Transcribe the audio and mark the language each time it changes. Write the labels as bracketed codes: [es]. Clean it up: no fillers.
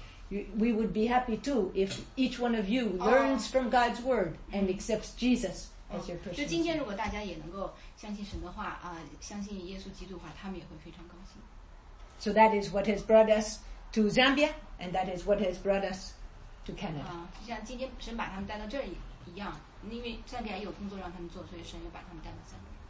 [en] We would be happy too if each one of you learns from God's word and accepts Jesus as your personal. [zh] 就今天，如果大家也能够相信神的话，啊，相信耶稣基督的话，他们也会非常高兴。 [en] So that is what has brought us to Zambia, and that is what has brought us to Canada. [zh] 就像今天神把他们带到这里一样，因为赞比亚也有工作让他们做，所以神又把他们带到赞比亚。